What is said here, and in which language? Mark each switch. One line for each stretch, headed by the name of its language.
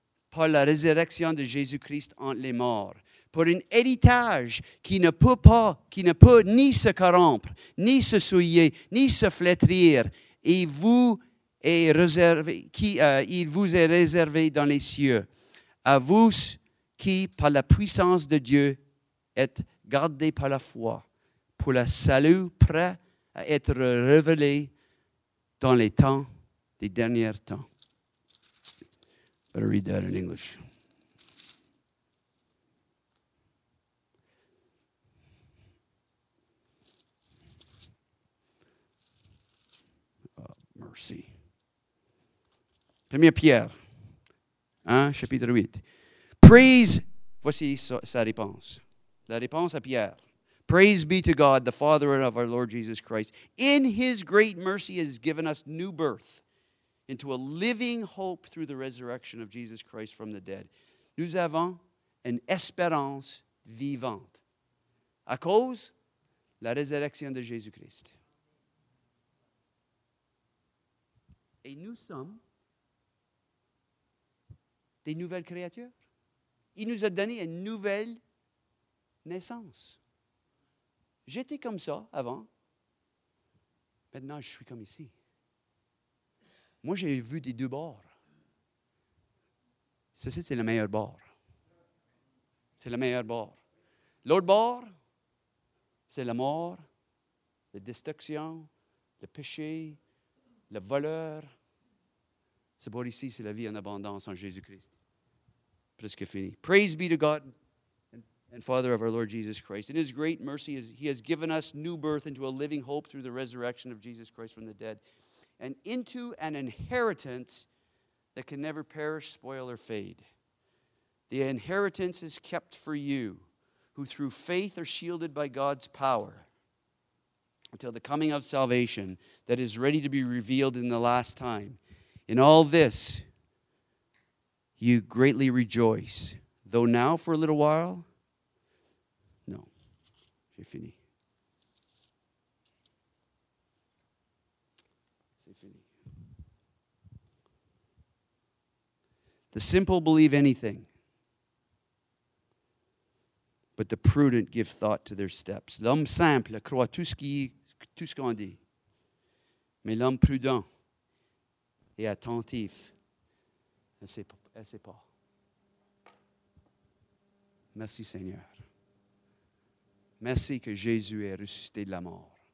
French: Par la résurrection de Jésus-Christ entre les morts, pour un héritage qui ne peut ni se corrompre, ni se souiller, ni se flétrir, et vous est réservé, il vous est réservé dans les cieux, à vous qui, par la puissance de Dieu, êtes gardés par la foi, pour le salut prêt à être révélé dans les temps des derniers temps.
English: Better read that in English.
French: Mercy. 1 Pierre, hein, chapitre 8. Praise, voici sa réponse. La réponse à Pierre.
English: Praise be to God, the Father of our Lord Jesus Christ. In his great mercy has given us new birth into a living hope through the resurrection of Jesus Christ from the dead.
French: Nous avons une espérance vivante à cause de la résurrection de Jésus-Christ. Et nous sommes des nouvelles créatures. Il nous a donné une nouvelle naissance. J'étais comme ça avant. Maintenant, je suis comme ici. Moi, j'ai vu des deux bords. Ça, c'est le meilleur bord. C'est le meilleur bord. L'autre bord, c'est la mort, la destruction, le péché, le voleur. Ce bord ici, c'est la vie en abondance en Jésus-Christ. Presque fini.
English: Praise be to God and Father of our Lord Jesus Christ. In his great mercy, he has given us new birth into a living hope through the resurrection of Jesus Christ from the dead. And into an inheritance that can never perish, spoil, or fade. The inheritance is kept for you, who through faith are shielded by God's power until the coming of salvation that is ready to be revealed in the last time. In all this, you greatly rejoice, though now for a little while.
French: No, j'ai fini.
English: The simple believe anything, but the prudent give thought to their steps.
French: L'homme simple croit tout ce qu'on dit, mais l'homme prudent est attentif à ses pas. Merci Seigneur. Merci que Jésus est ressuscité de la mort.